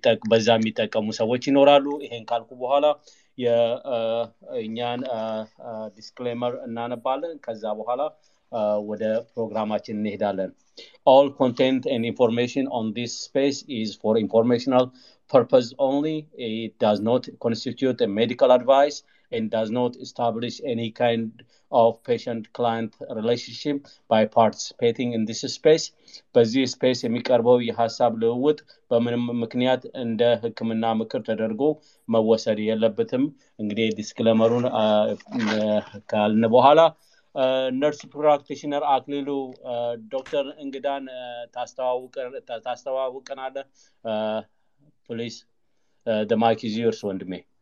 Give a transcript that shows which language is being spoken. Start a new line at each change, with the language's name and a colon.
Amharic: በዛ የሚጠቀሙ ሰዎች ይኖራሉ። ይሄን ካልኩ በኋላ የእኛን ዲስክሌመር እናነባለን። ከዛ በኋላ ወደ ፕሮግራማችን እንሄዳለን።
English: All content and information on this space is for informational purpose only. It does not constitute a medical advice and does not establish any kind of patient-client relationship by participating in this space.
Amharic: በዚህ ስፔስ የሚቀርበው የሀሳብ ልውውጥ በምንም ምክንያት እንደ ሕክምና ምክር ተደርጎ መወሰድ የለበትም። እንግዲህ ዲስክለመሩን ካልን በኋላ ነርስ ፕራክቲሽነር አክሊሉ፣ ዶክተር እንግዳን ታስተዋውቀናለህ ፕሊስ።
English: ዘ ማይክ ኢዝ ዩርስ
Amharic: ወንድሜ።